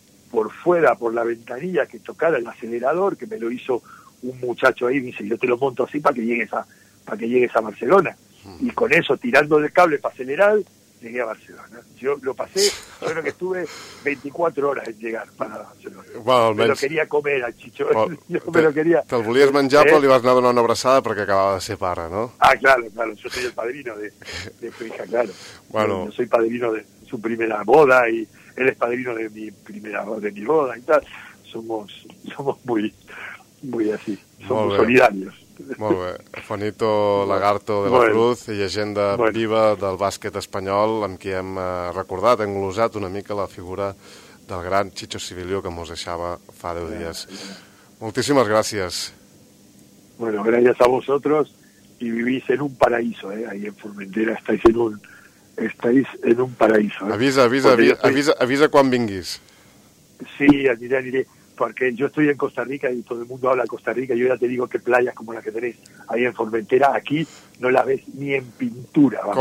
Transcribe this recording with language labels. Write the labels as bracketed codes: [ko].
[es] por fuera, por la ventanilla, que tocara el acelerador, que me lo hizo un muchacho ahí, dice, yo te lo monto así para que llegues a Barcelona. Y con eso, tirando del cable para acelerar, llegué a Barcelona. Yo lo pasé, yo creo que estuve 24 horas en llegar para Barcelona. Bueno, me lo quería comer al Chicho. [ca] Te lo volies menjar, però li vas anar a donar una abraçada perquè acabava de ser pare, no? [es] Ah, claro, yo soy el padrino de su hija, claro. Bueno. Yo soy padrino de su primera boda y él es padrino de mi primera boda, de mi boda y tal. Somos muy, muy así, somos [ca] molt [es] solidarios. [ca] Molt bé, Juanito Lagarto de la Cruz, llegenda viva del bàsquet espanyol, amb qui hem recordat, hem glosat una mica la figura del gran Chicho Sibilio que mos deixava fa 10 dies. Moltíssimes gràcies. [es] Bueno, gràcies a vosotros y vivís en un paraíso, ahí en Formentera, estáis en un paraíso. [ca] Avisa quan vinguis. Sí, aniré. [es] Porque yo estoy en Costa Rica y todo el mundo habla de Costa Rica. Yo ya te digo que playas como la que tenés ahí en Formentera, aquí no la ves ni en pintura.